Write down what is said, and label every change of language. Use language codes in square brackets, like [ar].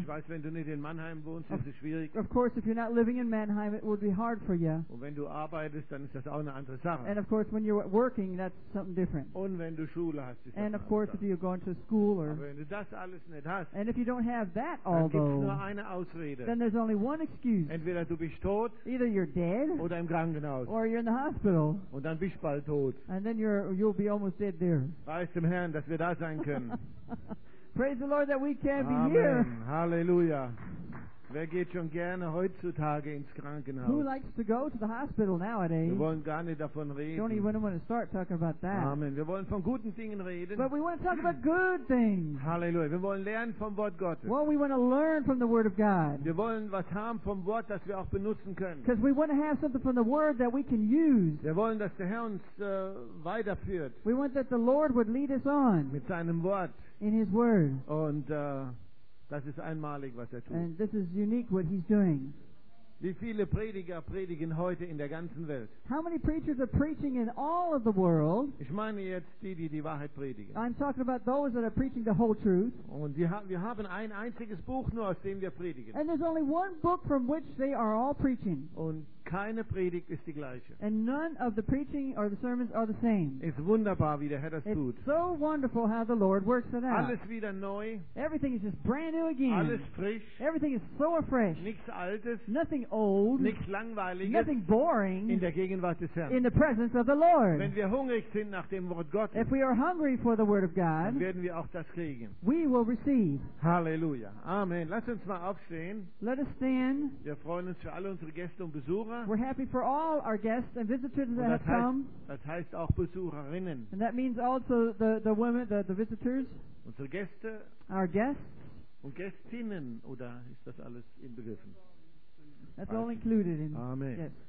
[de] Ich weiß, wenn du nicht in Mannheim wohnst, ist es schwierig. [en] Of course, if you're not living in Mannheim, it would be hard for you. [de] Und wenn du arbeitest, dann ist das auch eine andere Sache. [en] And of course, when you're working, that's something different. [de] Und wenn du Schule hast, ist das andere. [en] And of course, if you're going to school or. [de] Aber wenn du das alles nicht hast. [en] And if you don't have that all though. [de] Dann gibt's nur eine Ausrede. [en] Then there's only one excuse. [de] Entweder du bist tot. [en] Either you're dead. [de] Oder im Krankenhaus. [en] Or you're in the hospital. [de] Und dann bist du bald tot. [en] And then you'll be almost dead there. [de] Preis dem Herrn, dass wir da sein können. [en] Praise the Lord that we can Amen. Be here. Halleluja. [de] Wer geht schon gerne heutzutage ins Krankenhaus? [en] Who likes to go to the hospital nowadays? [de] Wir wollen gar nicht davon reden. [en] Don't even want to start talking about that. [de] Amen. Wir wollen von guten Dingen reden. [en] But we want to talk about good things. [de] Hallelujah. Wir wollen lernen vom Wort Gottes. [en] Well, we want to learn from the Word of God. [de] Wir wollen was haben vom Wort, das wir auch benutzen können. [en] Because we want to have something from the Word that we can use. [de] Wir wollen, dass der Herr uns weiterführt. [en] We want that the Lord would lead us on. [de] Mit seinem Wort. [en] In His Word. [de] Und das ist einmalig, was er tut. [en] And this is unique what he's doing. [de] Wie viele Prediger predigen heute in der ganzen Welt? [en] How many preachers are preaching in all of the world? [de] Ich meine jetzt die, die die Wahrheit predigen. [en] I'm talking about those that are preaching the whole truth. [de] Und wir haben ein einziges Buch nur, aus dem wir predigen. [en] And there's only one book from which they are all preaching. [de] Und keine Predigt ist die gleiche. [en] And none of the preaching or the sermons are the same. [de] Es ist wunderbar, wie der Herr das [en] It's [de] tut. [en] So wonderful how the Lord works it out. [de] Alles wieder neu. [en] Everything is just brand new again. [de] Alles frisch. [en] Everything is so fresh. [de] Nichts Altes. [en] Nothing old. [de] Nichts Langweiliges. [en] Nothing boring. [de] In der Gegenwart des Herrn. [en] In the presence of the Lord. [de] Wenn wir hungrig sind nach dem Wort Gottes. [en] If we are hungry for the Word of God. [de] Dann werden wir auch das kriegen. [en] We will receive. [de] Halleluja. Amen. Lass uns mal aufstehen. [en] Let us stand. [de] Wir freuen uns für alle unsere Gäste und Besucher. [en] We're happy for all our guests and visitors that have come. [de] Das heißt auch Besucherinnen. [en] And that means also the women, the visitors. [de] Unsere Gäste. [en] Our guests. [de] Und Gästinnen, oder ist das alles inbegriffen? [en] That's all included in. Amen. Yes.